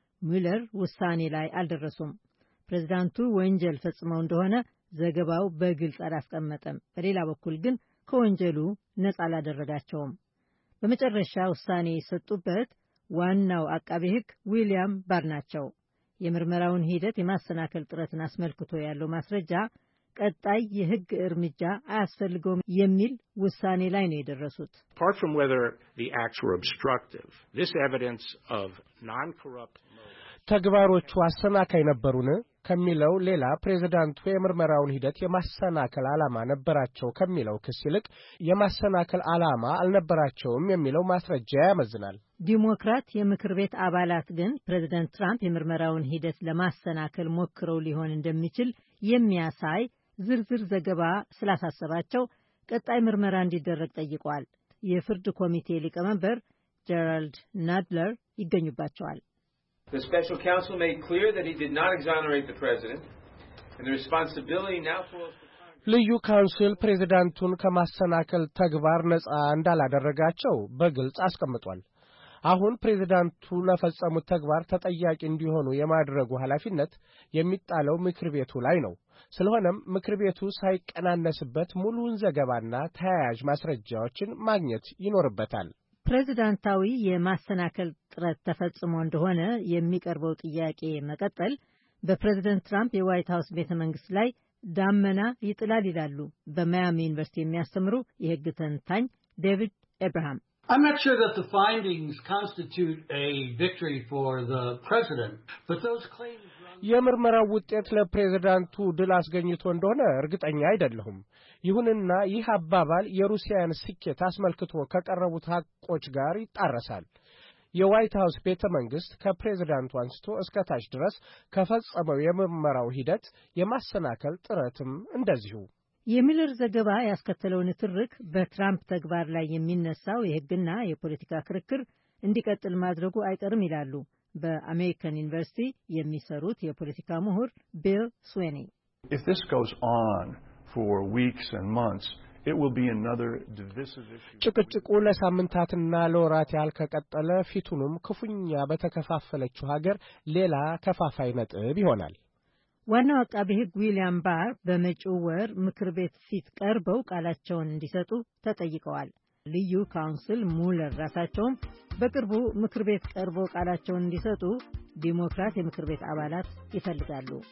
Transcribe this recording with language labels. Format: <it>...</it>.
<am>ሙለር ውሳኔ ላይ አልደረሱም። ፕሬዝዳንቱ ወንጀል ፈጽመው እንደሆነ ዘገባው በግልጽ አላስቀመጠም። በሌላ በኩል ግን ከወንጀሉ ነጻ አላደረጋቸውም። በመጨረሻ ውሳኔ የሰጡበት ዋናው አቃቤ ሕግ ዊሊያም ባርናቸው የምርመራውን ሂደት የማሰናከል ጥረትን አስመልክቶ ያለው ማስረጃ ቀጣይ የሕግ እርምጃ አያስፈልገውም የሚል ውሳኔ ላይ ነው የደረሱት።</am> <en>Apart from whether the acts were obstructive, this evidence of non-corrupt</en> <am>ተግባሮቹ አሰናካይ ነበሩን ከሚለው ሌላ ፕሬዝዳንቱ የምርመራውን ሂደት የማሰናከል ዓላማ ነበራቸው ከሚለው ክስ ይልቅ የማሰናከል ዓላማ አልነበራቸውም የሚለው ማስረጃ ያመዝናል። ዲሞክራት የምክር ቤት አባላት ግን ፕሬዝዳንት ትራምፕ የምርመራውን ሂደት ለማሰናከል ሞክረው ሊሆን እንደሚችል የሚያሳይ ዝርዝር ዘገባ ስላሳሰባቸው ቀጣይ ምርመራ እንዲደረግ ጠይቋል። የፍርድ ኮሚቴ ሊቀመንበር ጀራልድ ናድለር ይገኙባቸዋል።</am> <en>The special counsel made clear that he did not exonerate the president and the responsibility now falls to Congress.</en> <am>ልዩ ካውንስል ፕሬዝዳንቱን ከማሰናከል ተግባር ነጻ እንዳላደረጋቸው በግልጽ አስቀምጧል። አሁን ፕሬዝዳንቱ ለፈጸሙት ተግባር ተጠያቂ እንዲሆኑ የማድረጉ ኃላፊነት የሚጣለው ምክር ቤቱ ላይ ነው። ስለሆነም ምክር ቤቱ ሳይቀናነስበት ሙሉን ዘገባና ተያያዥ ማስረጃዎችን ማግኘት ይኖርበታል። ፕሬዝዳንታዊ የማሰናከል ጥረት ተፈጽሞ እንደሆነ የሚቀርበው ጥያቄ መቀጠል በፕሬዝዳንት ትራምፕ የዋይት ሃውስ ቤተ መንግስት ላይ ዳመና ይጥላል ይላሉ በማያሚ ዩኒቨርሲቲ የሚያስተምሩ የህግ ተንታኝ ዴቪድ አብርሃም።</am> <en>I'm not sure that the findings constitute a victory for the president, but those claims</en> <am>የምርመራው ውጤት ለፕሬዝዳንቱ ድል አስገኝቶ እንደሆነ እርግጠኛ አይደለሁም። ይሁንና ይህ አባባል የሩሲያን ስኬት አስመልክቶ ከቀረቡት ሐቆች ጋር ይጣረሳል። የዋይት ሃውስ ቤተ መንግስት ከፕሬዝዳንቱ አንስቶ እስከ ታች ድረስ ከፈጸመው የምርመራው ሂደት የማሰናከል ጥረትም እንደዚሁ። የሚለር ዘገባ ያስከተለው ንትርክ በትራምፕ ተግባር ላይ የሚነሳው የህግና የፖለቲካ ክርክር እንዲቀጥል ማድረጉ አይቀርም ይላሉ በአሜሪካን ዩኒቨርሲቲ የሚሰሩት የፖለቲካ ምሁር ቢል ስዌኒ።</am> <en>If this goes on for weeks and months, it will be another divisive issue.</en> <am>ጭቅጭቁ ለሳምንታትና ለወራት ያልከቀጠለ ፍቱንም ክፉኛ በተከፋፈለችው ሀገር ሌላ ከፋፋይ ነጥብ ይሆናል። ዋናው አቃቤ ሕግ ዊሊያም ባር በመጪው ወር ምክር ቤት ፊት ቀርበው ቃላቸውን እንዲሰጡ ተጠይቀዋል። ልዩ ካውንስል ሙለር ራሳቸው በቅርቡ ምክር ቤት ቀርበው ቃላቸውን እንዲሰጡ ዲሞክራት የምክር ቤት አባላት ይፈልጋሉ።</am>